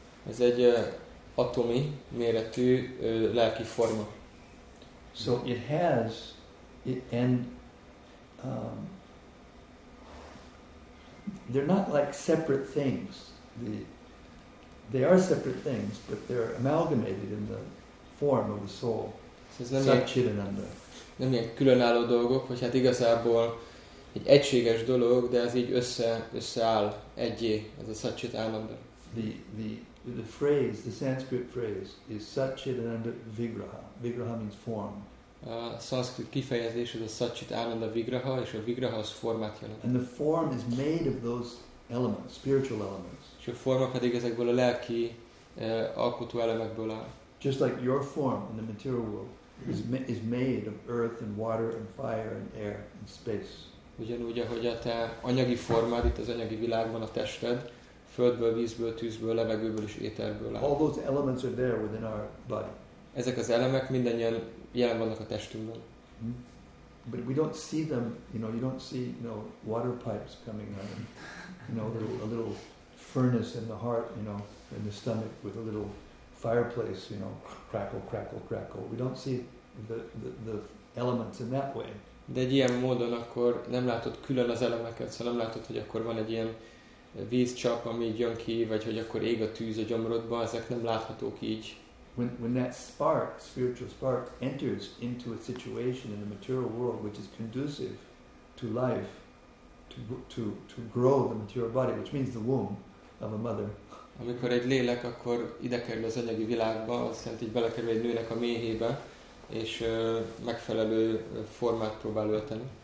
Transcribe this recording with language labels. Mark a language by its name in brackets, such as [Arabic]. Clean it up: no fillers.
[Hungarian] Ez egy atomi méretű lelki forma. [English] So it has it and they're not like separate things. They are separate things, but they're amalgamated in the form of the soul. [Sanskrit] Satchitananda. [Hungarian] Nem ilyen különálló dolgok, hogy hát igazából egy egységes dolog, de ez így összeáll egyé, ez a Satchitananda. [English] The phrase, the Sanskrit phrase is Satchitananda Vigraha. Vigraha means form. [Hungarian] A szanszkrit kifejezés az a Satchit Ananda Vigraha, és a Vigraha az formát jelent. [English] And the form is made of those elements, spiritual elements. [Hungarian] És a forma pedig ezekből a lelki alkotó elemekből áll. [English] Just like your form in the material world is made of earth and water and fire and air and space. [Hungarian] Ugyanúgy, ahogy a te anyagi formád itt az anyagi világban, a tested, földből, vízből, tűzből, levegőből és éterből áll. [English] All those elements are there within our body. [Hungarian] Ezek az elemek mindannyian jelen vannak a testünkben. Hmm? [English] But we don't see them, you know, you don't see, you know, water pipes coming out and, you know, a little furnace in the heart, you know, in the stomach with a little fireplace, you know, crackle, crackle, crackle. We don't see the elements in that way. [Hungarian] De egy ilyen módon akkor nem látod külön az elemeket, szóval nem látod, hogy akkor van egy ilyen vízcsap, ami így jön ki, vagy hogy akkor ég a tűz a gyomrodban, ezek nem láthatók így. [English] When that spark, spiritual spark, enters into a situation in the material world which is conducive to life, to grow the material body, which means the womb of a mother. [Hungarian] Amikor egy lélek akkor ide kerül az anyagi világba, azt jelenti, hogy belekerül egy nőnek a méhébe, és megfelelő formát próbál ölteni.